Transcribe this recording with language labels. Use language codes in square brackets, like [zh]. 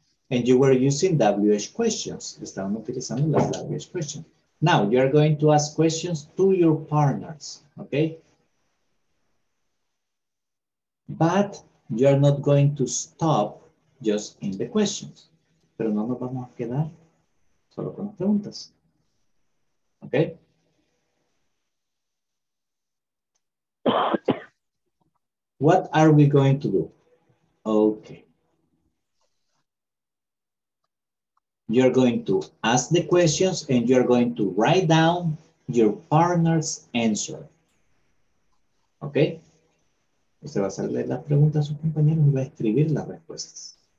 [en] And you were using WH questions. [es] Estaban utilizando las WH questions. [en] Now, you are going to ask questions to your partners, okay? But you are not going to stop just in the questions. [es] Pero no nos vamos a quedar solo con las preguntas. [en] Okay? What are we going to do? Okay. You're going to ask the questions and you're going to write down your partner's answer. Okay? [es] Usted va a hacerle las preguntas a sus compañeros y va a escribir las respuestas.